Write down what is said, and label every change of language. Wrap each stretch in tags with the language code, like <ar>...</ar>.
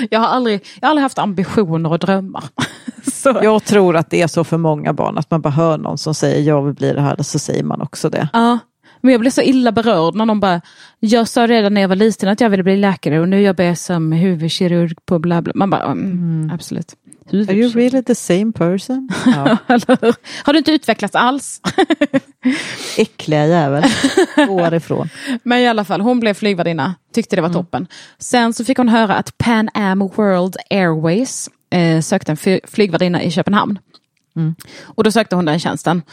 <sv>Jag har aldrig haft ambitioner och drömmar. Så. Jag tror att det är så för många barn att man bara hör någon som säger jag vill bli det här, så säger man också det. Ja. Men jag blev så illa berörd när någon bara, jag sa redan när jag var liten att jag ville bli läkare och nu jobbar jag som huvudkirurg på bla bla. Man bara, absolut.</sv> <en>Are you really the same person?</en> <sv>Ja. Har du inte utvecklats alls? Äckliga jävel. Går ifrån. Men i alla fall, hon blev flygvärdinna. Tyckte det var toppen. Sen så fick hon höra att Pan Am World Airways sökte en flygvärdinna i Köpenhamn. Och då sökte hon den tjänsten.</sv>